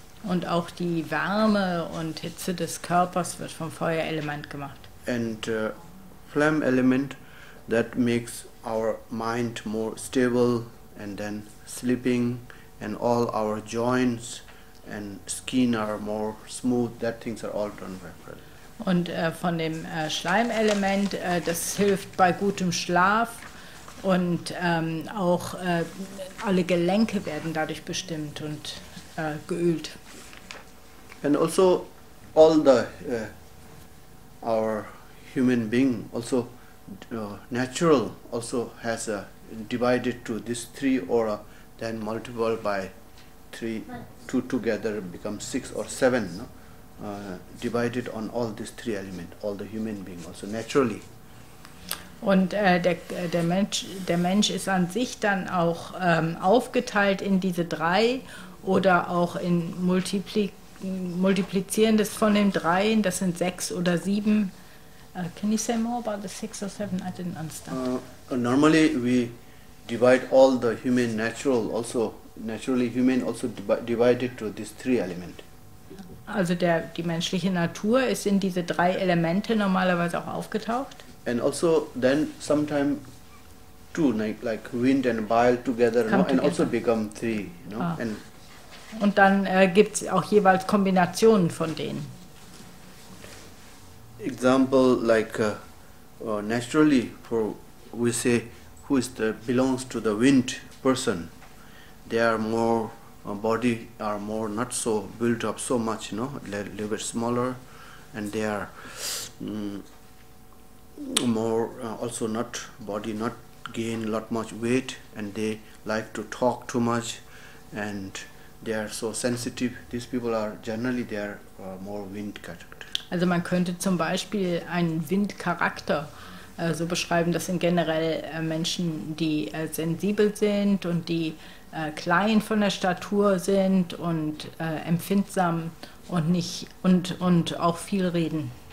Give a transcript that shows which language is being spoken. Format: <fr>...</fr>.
<de>Und auch die Wärme und Hitze des Körpers wird vom Feuerelement gemacht.</de> <en>And flame element that makes our mind more stable and then sleeping and all our joints and skin are more smooth, that things are all done by fire.</en> <de>Und von dem Schleimelement, das hilft bei gutem Schlaf, Und auch alle Gelenke werden dadurch bestimmt und geölt.</de> <en>And also all the our human being also natural also has a divided to these three aura, then multiplied by three, two together becomes six or seven, no? Divided on all these three elements, all the human being also naturally.</en> <de>Und der Mensch ist an sich dann auch aufgeteilt in diese drei oder auch in multiplizierendes von den dreien, das sind sechs oder sieben.</de> <en>Can you say more about the six or seven? I didn't understand. Normally we divide all the human natural also, naturally human also divided to these three elements.</en> <de>Also die menschliche Natur ist in diese drei Elemente normalerweise auch aufgetaucht.</de> <en>And also then sometime two, like wind and bile together, no? And also become three. No? Ah. And</en> <de>und dann gibt es auch jeweils Kombinationen von denen.</de> <en>Example like naturally for we say who is the belongs to the wind person, they are more body are more not so built up so much, no, little bit smaller, and they are more also not body not gain lot much weight, and they like to talk too much, and they are so sensitive. These people are generally they are more wind character.</en> <de>Also man könnte zum Beispiel einen Windcharakter so beschreiben. Das sind generell Menschen, die sensibel sind und die klein von der Statur sind und empfindsam und nicht und auch viel reden.</de>